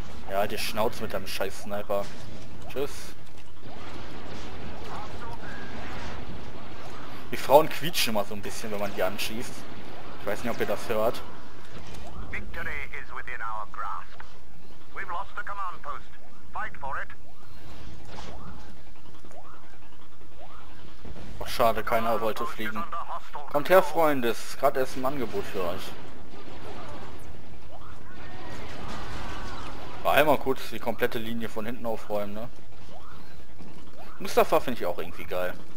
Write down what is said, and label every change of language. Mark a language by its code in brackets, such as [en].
[de] Ja, die Schnauze mit deinem scheiß Sniper. Tschüss. Die Frauen quietschen immer so ein bisschen, wenn man die anschießt. Ich weiß nicht, ob ihr das hört. [en] Victory is within our grasp. We've lost the command post. Fight for it. [de] Oh, schade, keiner wollte fliegen. Kommt her, Freunde, es ist gerade erst ein Angebot für euch. Einmal kurz die komplette Linie von hinten aufräumen, ne? Mustafa finde ich auch irgendwie geil.